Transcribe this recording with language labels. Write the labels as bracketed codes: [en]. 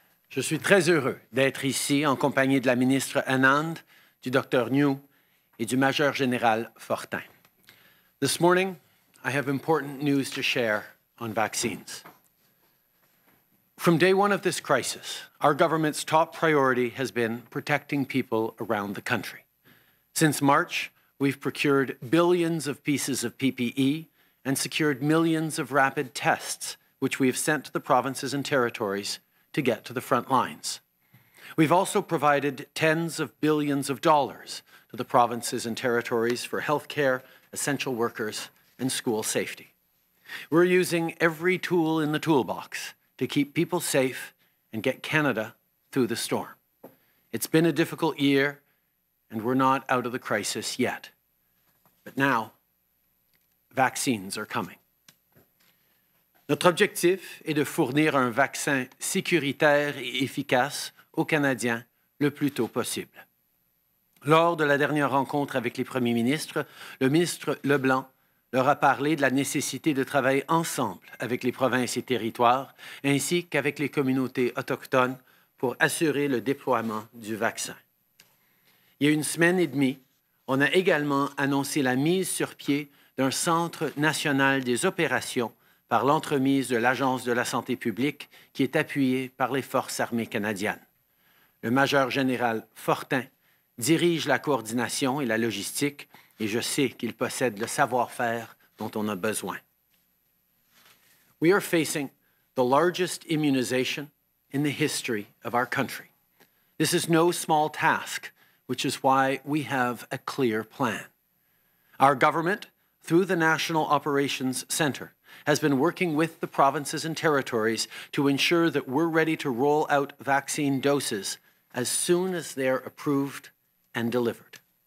[fr] Je suis très heureux d'être ici en compagnie de la ministre Anand, du Dr. New, et du Major Général Fortin. [en] This morning, I have important news to share on vaccines. From day one of this crisis, our government's top priority has been protecting people around the country. Since March, we've procured billions of pieces of PPE and secured millions of rapid tests which we have sent to the provinces and territories to get to the front lines. We've also provided tens of billions of dollars to the provinces and territories for healthcare, essential workers, and school safety. We're using every tool in the toolbox to keep people safe and get Canada through the storm. It's been a difficult year, and we're not out of the crisis yet. But now, vaccines are coming. [fr] Notre objectif est de fournir un vaccin sécuritaire et efficace aux Canadiens le plus tôt possible. Lors de la dernière rencontre avec les premiers ministres, le ministre Leblanc leur a parlé de la nécessité de travailler ensemble avec les provinces et territoires, ainsi qu'avec les communautés autochtones pour assurer le déploiement du vaccin. Il y a une semaine et demie, on a également annoncé la mise sur pied d'un centre national des opérations par l'entremise de l'Agence de la santé publique qui est appuyée par les Forces armées canadiennes. Le Major Général Fortin dirige la coordination et la logistique et je sais qu'il possède le savoir-faire dont on a besoin. [en] We are facing the largest immunization in the history of our country. This is no small task, which is why we have a clear plan. Our government, through the National Operations Center, has been working with the provinces and territories to ensure that we're ready to roll out vaccine doses as soon as they're approved and delivered.